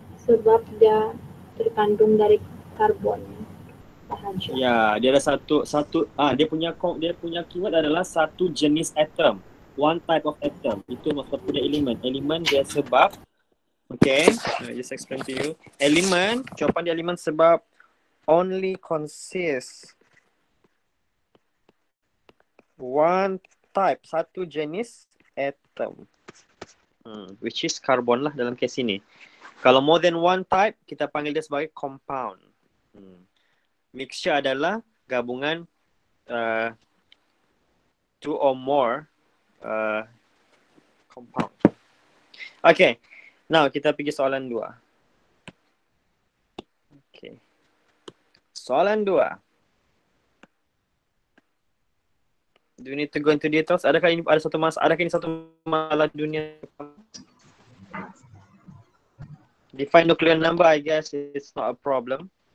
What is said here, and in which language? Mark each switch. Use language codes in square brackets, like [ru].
[ms] Sebab dia terkandung dari karbon. Bahan. Ya, dia ada dia punya keyword adalah satu jenis atom. [en] One type of atom. [ms] Itu maksud dia elemen. Elemen dia sebab [en] okay, I just explain to you. [ms] Elemen, jawapan dia elemen sebab [en] only consists one type, [ms] satu jenis atom, [en] which is karbon [ms] lah dalam kes ini. Kalau [en] more than one type, [ms] kita panggil dia sebagai compound. Mixture adalah gabungan [en] two or more compound. [ms] Okay, now kita pergi soalan dua. Okay, soalan dua. [en] Do you need to go into details? [ms] Adakah ini satu masalah dunia? [en] Define nuclear number, I guess it's not a problem.